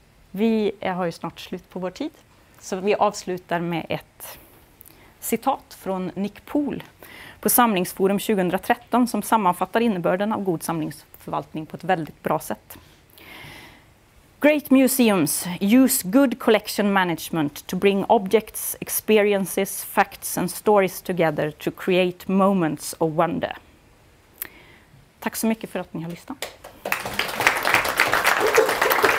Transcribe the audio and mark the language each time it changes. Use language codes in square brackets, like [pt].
[sv] Vi har ju snart slut på vår tid, så vi avslutar med ett citat från Nick Poole på Samlingsforum 2013 som sammanfattar innebörden av god samlingsförvaltning på ett väldigt bra sätt. [en] Great museums use good collection management to bring objects, experiences, facts and stories together to create moments of wonder. [sv] Tack så mycket för att ni har lyssnat.